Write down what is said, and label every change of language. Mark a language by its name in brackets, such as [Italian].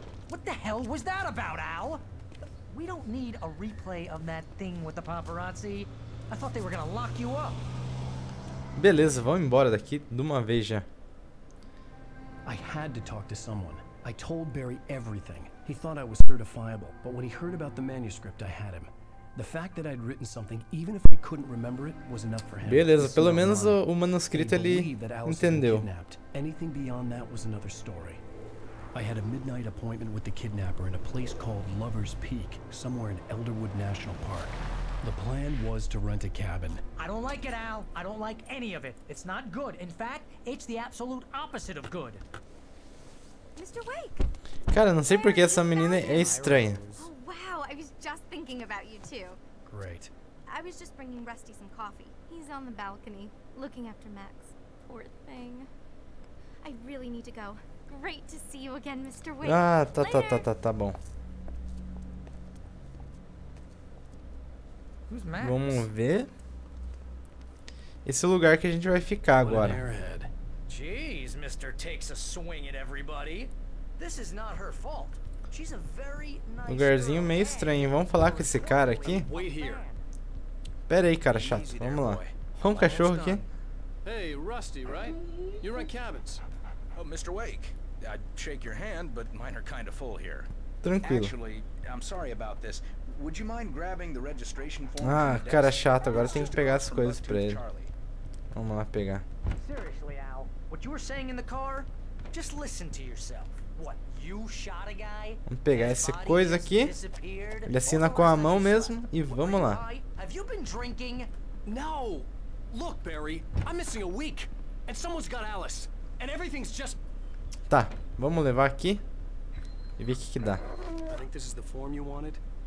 [English] What the hell was that about, Al? We don't need a replay of that thing with the paparazzi. I thought they were gonna lock you up. [Portuguese] Beleza, vamos embora daqui de uma vez já. [English] I had to talk to someone. I told Barry everything. He thought I was certifiable, but when he heard about the manuscript, I had him. The fact that I'd written something, even if I couldn't remember it, was enough for him. [Portuguese] Beleza, pelo menos o manuscrito ele entendeu. [English] Anything beyond that was another story. I had a midnight appointment with the kidnapper in a place called Lover's Peak, somewhere in Elderwood National Park. The plan was to rent a cabin. I don't like it, Al. I don't like any of it. It's not good. In fact, it's the absolute opposite of good. Mr. Wake. [Portuguese] Cara, não sei por que essa menina é estranha. [English] Oh, wow. I was just thinking about you too. Great. I was just bringing Rusty some coffee. He's on the balcony, looking after Max. Poor thing. I really need to go. Great to see you again, Mr. Wake. [Portuguese] Ah, tá bom. [English] Who's Max? [Portuguese] Vamos ver. Esse lugar que a gente vai ficar agora. [English] Jeez, Mr. takes a swing at everybody. This is not her fault. She's a very nice. [Portuguese] Lugarzinho meio estranho. Vamos falar com esse cara aqui? Pera aí, cara chato. Vamos lá. Vamos, cachorro aqui. [English] Hey, Rusty, right? You rent cabins. Oh, Mr. Wake. I'd shake your hand, but mine are kind of full here. [Portuguese] Tranquilo. [English] Actually, I'm sorry about this. Would you mind grabbing the registration form? [Portuguese] Ah, cara chato, agora tem que pegar as coisas pra ele. Vamos lá pegar. [English] Seriously, Al, what you were saying in the car? Just listen to yourself. What, you shot a guy? [Portuguese] Vamos pegar essa coisa aqui. Ele assina com a mão mesmo e vamos lá. [English] Have you been drinking? No. Look, Barry, I'm missing a week and someone's got Alice and everything's just. [Portuguese] Tá, vamos levar aqui e ver o que dá. [English] I think this is the form you wanted.